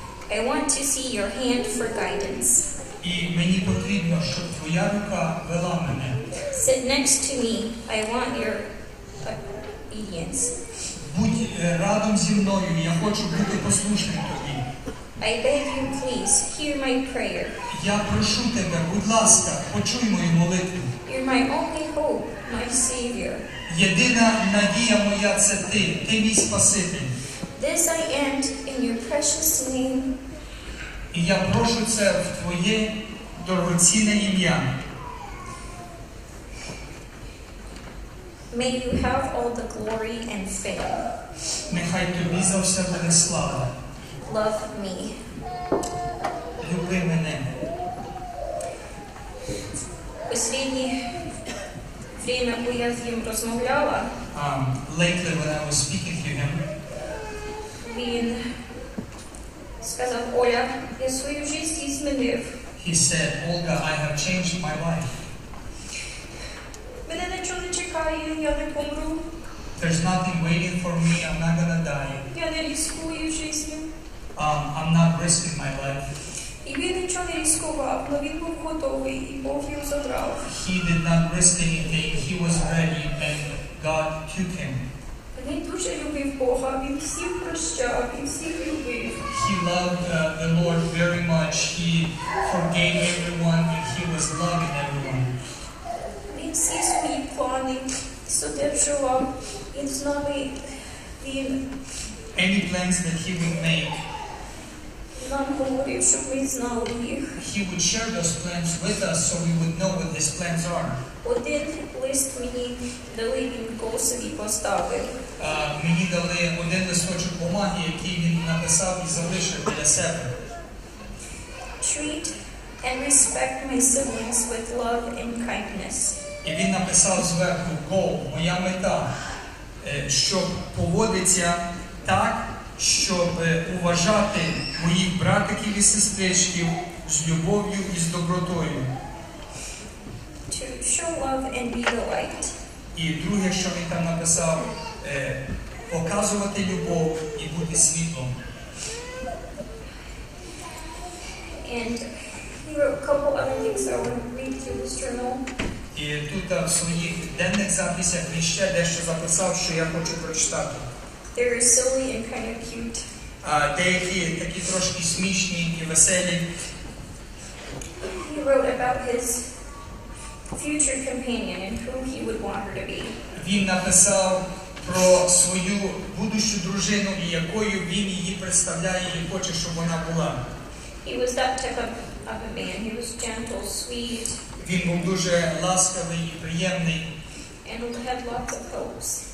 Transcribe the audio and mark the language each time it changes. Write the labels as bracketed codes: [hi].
[en] I want to see your hand for guidance. [uk] І мені потрібно, щоб твоя рука вела мене. [en] Sit next to me. I want your obedience. [uk] Будь разом зі мною, я хочу бути послушним тобі. [en] I beg you, please, hear my prayer. [uk] Я прошу тебе, будь ласка, почуй мою молитву. [en] You're my only hope, my savior. [uk] Єдина надія моя – це ти. Ти мій спаситель. [en] This I end in your precious name. [uk] І я прошу це в твоє дорогоцінне ім'я. [en] May you have all the glory and fame. [uk] Нехай тобі за все буде слава. [en] Love me. [uk] Люби мене. Останнє время, коли я з ним розмовляла, [en] lately when I was speaking to him, [uk] він сказав: Оля, я свою життя змінив. [en] He said, Olga, I have changed my life. [uk] Мене нічого не чекає, я не помру. [en] There's nothing waiting for me, I'm not gonna die. [uk] Я не рискую життям. [en] I'm not risking my life. [uk] І він нічого не ризикував, але він був готовий, і Бог його забрав. [en] He did not risk anything, he was ready, and God took him. [uk] Він дуже любив Бога, він всіх прощав, він всіх любив. [en] He loved the Lord very much, he forgave everyone, and he was loving everyone. [uk] Він всі свої плани содержував, і з нами він... [en] Any plans that he would make, [uk] нам говорив, щоб ми знали їх. [en] He would share those plans with us, so we would know what his plans are. [uk] Один лист мені дали, він косові поставив. Мені дали один листочок бумаги, який він написав і залишив для себе. [en] Treat and respect my siblings with love and kindness. [uk] І він написав зверху, goal, моя мета, щоб поводитися так, щоб уважати моїх братиків і сестричків з любов'ю і з добротою. [en] To show love and be the light. [uk] І друге, що він там написав, показувати любов і бути світлом. [en] And he wrote a couple other things I want to read through his journal. [uk] І тут в своїх денних записях він ще дещо записав, що я хочу прочитати. [en] They were silly and kind of cute. [uk] Деякі такі трошки смішні і веселі. [en] He wrote about his future companion and who he would want her to be. [uk] Він написав про свою будущу дружину і якою він її представляє і хоче, щоб вона була. [en] He was that type of a man. He was gentle, sweet. [uk] Він був дуже ласкавий і приємний. [en] And he had lots of hopes.